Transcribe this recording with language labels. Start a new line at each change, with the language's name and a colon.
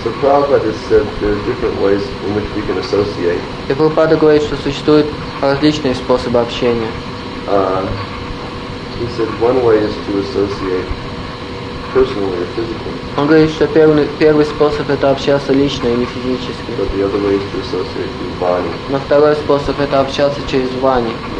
English: So Prabhupada said there are different ways in which we can associate.
Russian: И Прабхупада говорит, что существуют различные способы общения.
English: He said one way is to associate personally or physically.
Russian: Он говорит, что первый способ – это общаться лично или физически.
English: But the other way is to associate with Vani.
Russian: Но второй способ – это общаться через Vani.